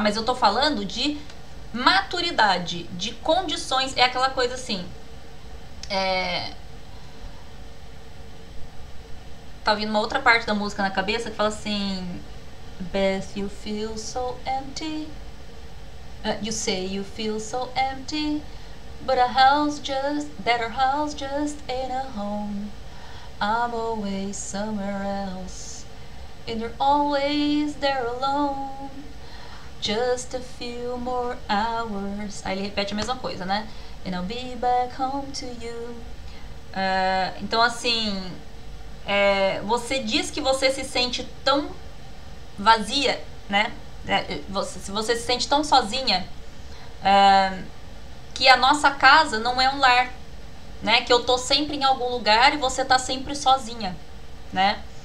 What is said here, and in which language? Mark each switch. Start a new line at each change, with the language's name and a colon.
Portuguese: Mas eu estou falando de maturidade, de condições. É aquela coisa assim. Tá vindo uma outra parte da música na cabeça que fala assim:
English: Beth, you feel so empty. You say you feel so empty, but a house just, that our house just ain't a home. I'm always somewhere else, and you're always there alone. Just a few more hours.
Portuguese: Aí ele repete a mesma coisa, né?
English: And I'll be back home to you.
Portuguese: Então assim, você diz que você se sente tão vazia, né? Se você se sente tão sozinha, que a nossa casa não é um lar, né? Que eu tô sempre em algum lugar e você tá sempre sozinha, né?